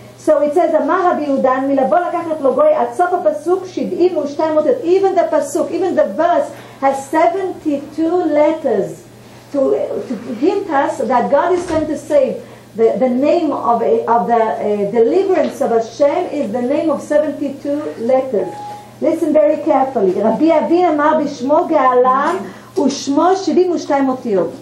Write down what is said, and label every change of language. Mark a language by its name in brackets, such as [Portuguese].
[Hebrew] So it says, אמר רבי יהודן, מלבוא לקחת לו גוי, עד סוף הפסוק, 72 אותיות. [English] Even the pasuk, even the verse, has 72 letters to hint us that God is going to save. The name of the deliverance of Hashem is the name of 72 letters. Listen very carefully. [Hebrew] רבי אבי אמר בשמו געלם, ושמו 72 אותיות.